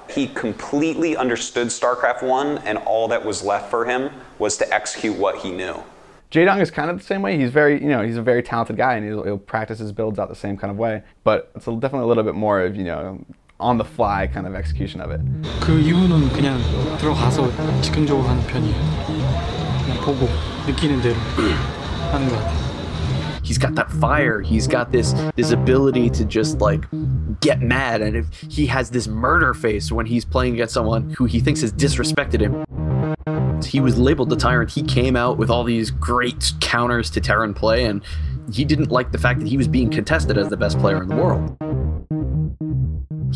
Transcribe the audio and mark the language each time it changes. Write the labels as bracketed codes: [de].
[en] He completely understood StarCraft 1, and all that was left for him was to execute what he knew. Jaedong is kind of the same way. He's very, you know, he's a very talented guy and he'll practice his builds out the same kind of way. But it's definitely a little bit more of, you know, on the fly kind of execution of it. [ko] 그 이유는 그냥 들어가서 즉흥적으로 하는 편이에요. 그냥 보고 느끼는 대로 하는 것 같아요. [en] he's got that fire. He's got this ability to just like get mad. And if he has this murder face when he's playing against someone who he thinks has disrespected him. He was labeled the Tyrant. He came out with all these great counters to Terran play, and he didn't like the fact that he was being contested as the best player in the world.